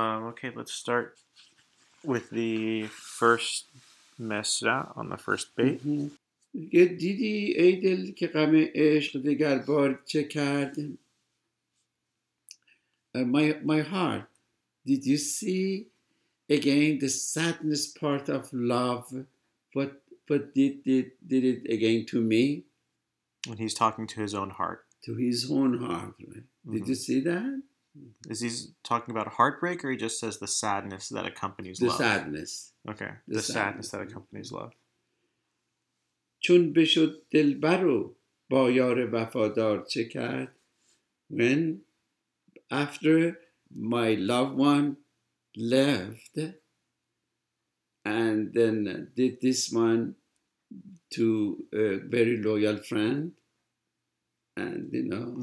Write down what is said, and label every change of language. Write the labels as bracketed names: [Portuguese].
[English] Okay, let's start with the first mesra on the first bake. [Persian] یه دیدی ای دل که غم عشق دیگر بار چه کرد. [English] My heart, did you see again the sadness part of love? But did it again to me? When he's talking to his own heart. To his own heart, right? Mm-hmm. Did you see that? Is he talking about heartbreak, or he just says the sadness that accompanies the love? The sadness. Okay, the sadness. Sadness that accompanies love. [Persian] چون بشد دلبرو با یار وفادار چه کرد? [English] When after my loved one left, and then did this one to a very loyal friend, and you know